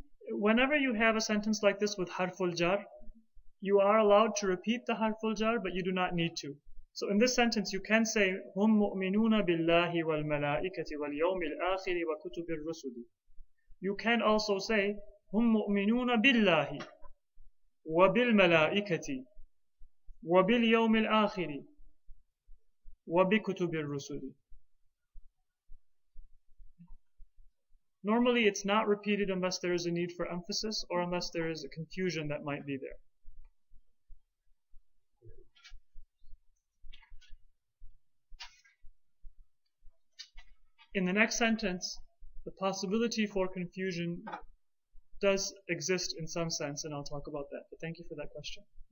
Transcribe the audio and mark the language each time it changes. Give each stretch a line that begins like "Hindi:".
English: Whenever you have a sentence like this with harful jar, you are allowed to repeat the harful jar, but you do not need to. So in this sentence, you can say
Arabic: هم مؤمنون بالله والملائكة واليوم الآخر وكتب الرسل.
English: You can also say
Arabic: هم مؤمنون بالله وبالملائكة وباليوم الآخر وبكتب الرسل.
English: Normally, it's not repeated unless there is a need for emphasis or unless there is a confusion that might be there. In the next sentence, the possibility for confusion does exist in some sense, and I'll talk about that. But thank you for that question.